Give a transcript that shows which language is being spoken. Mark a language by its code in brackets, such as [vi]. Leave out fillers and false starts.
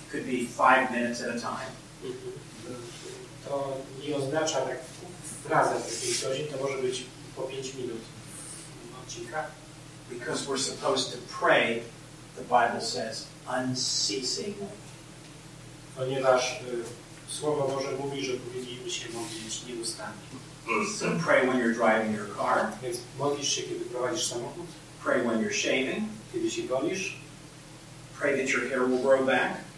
[en] Could be 5 minutes at a time. [pl] To nie oznacza tak razem w tej godzinie, to może być po 5 minut odcinka. [en] Because we're supposed to pray, the Bible says, unceasingly. [pl] Ponieważ Słowo Boże mówi, że powinniśmy się modlić nieustannie. [en] So pray when you're driving your car. [pl] Więc modlisz się, kiedy prowadzisz samochód. [en] Pray when you're shaving. [pl] Kiedy się golisz. [en] Pray that your hair will grow back.